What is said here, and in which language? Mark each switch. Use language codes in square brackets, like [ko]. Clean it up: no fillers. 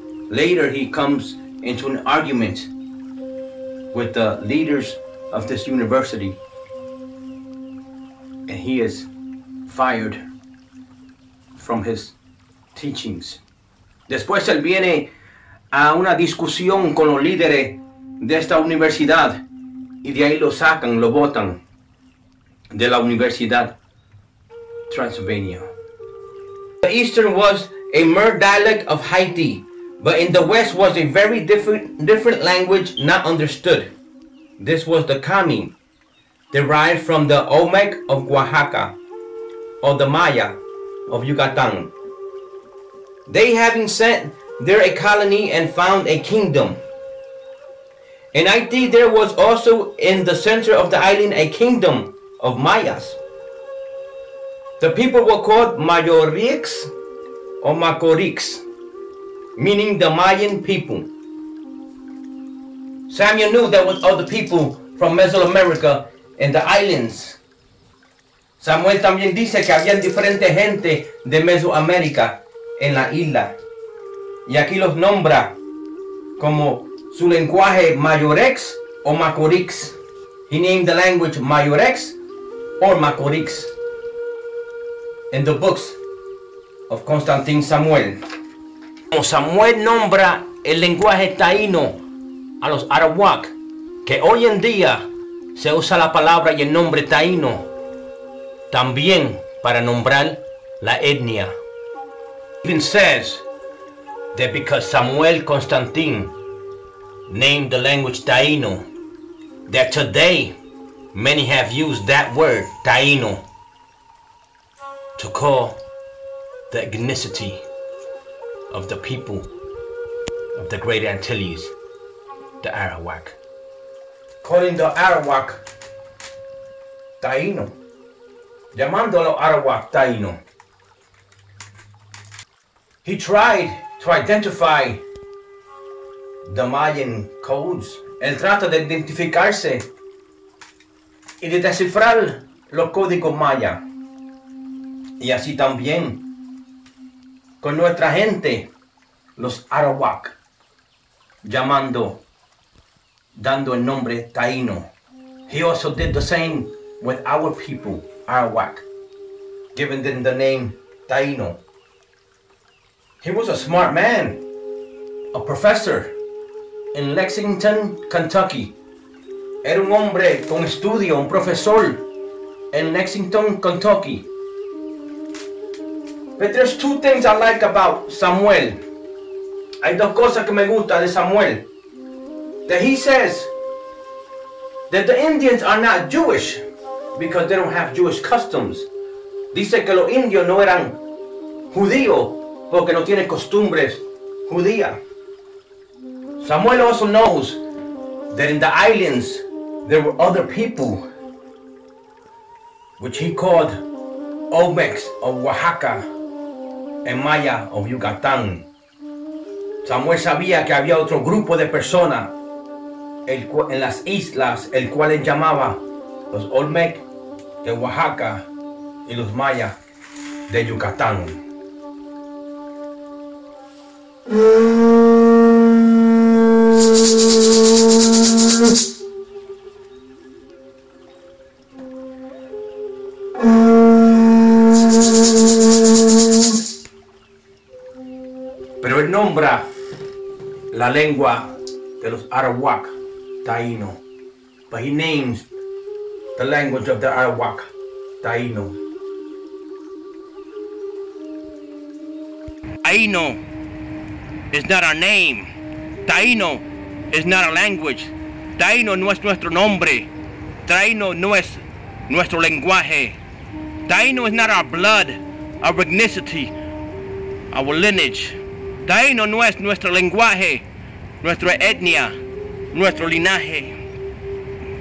[en] Later, he comes into an argument with the leaders of this university, and he is fired from his teachings. [es] Después él viene a una discusión con los líderes de esta universidad, y de ahí lo sacan, lo botan de la Universidad Transylvania. [en] The Eastern was a mer dialect of Haiti, but in the West was a very different language not understood. This was the Kami, derived from the Olmec of Oaxaca, or the Maya of Yucatan. They having sent there a colony and found a kingdom. In Haiti, there was also in the center of the island a kingdom of Mayas. The people were called Mayorix or Macorix, meaning the Mayan people. Samuel knew there was other people from Mesoamerica and the islands. [es] Samuel también dice que había diferente gente de Mesoamerica en la isla. Y aquí los nombra como su lenguaje Mayorex o Macorix. [en] He named the language Mayorex or Macorix in the books of Constantine Samuel. [es] Samuel nombra el lenguaje taíno a los Arawak, que hoy en día se usa la palabra y el nombre taíno también para nombrar la etnia. [en] Even says that because Samuel Constantine named the language Taino, that today many have used that word Taino to call the ethnicity of the people of the Great Antilles, the Arawak. Calling the Arawak Taino, [es] llamándolo Arawak Taino. [en] He tried to identify the Mayan codes. [es] Él trata de identificarse y de descifrar los códigos maya. Y así también con nuestra gente, los Arawak, llamando, dando el nombre Taíno. [en] He also did the same with our people, Arawak, giving them the name Taíno. He was a smart man, a professor in Lexington, Kentucky. [es] Era un hombre con estudio, un profesor in Lexington, Kentucky. [en] But there's two things I like about Samuel. [es] Hay dos cosas que me gusta de Samuel. [en] That he says that the Indians are not Jewish. because they don't have Jewish customs. [es] Dice que los indios no eran judíos porque no tienen costumbres judías. [en] Samuel also knows that in the islands there were other people, which he called Olmecs of Oaxaca and Maya of Yucatán. [es] Samuel sabía que había otro grupo de personas en las islas, el cual él llamaba los Olmec de Oaxaca y los Maya de Yucatán. Pero él nombra la lengua de los Arawak Taíno. [en] But he names the language of the Arawak Taíno. Taíno is not our name. Taíno is not our language. [es] Taíno no es nuestro nombre. Taíno no es nuestro lenguaje. [en] Taíno is not our blood, our ethnicity, our lineage. [es] Taíno no es nuestro lenguaje, nuestra etnia, nuestro linaje.